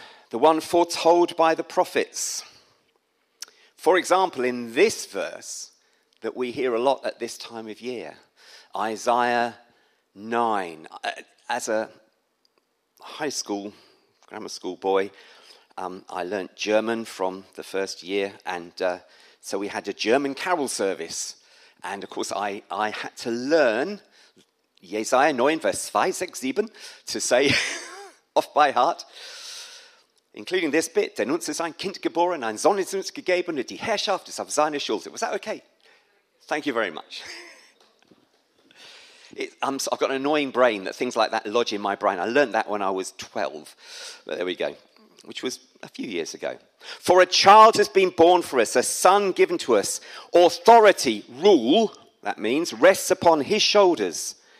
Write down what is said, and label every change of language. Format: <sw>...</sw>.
<en>The one foretold by the prophets. For example, in this verse that we hear a lot at this time of year, Isaiah 9. As a high school, grammar school boy, I learnt German from the first year, and so we had a German carol service. And of course, I had to learn Jesaja 9, verse 2, 6, 7 to say off by heart, including this bit,</en> <de>Denn uns ist ein Kind geboren, ein Sohn ist uns gegeben, und die Herrschaft ist auf seine Schulter.</de> <en>Was that okay? Thank you very much. I've got an annoying brain that things like that lodge in my brain. I learned that when I was 12. But there we go, which was a few years ago. For a child has been born for us, a son given to us. Authority, rule, that means, rests upon his shoulders.</en>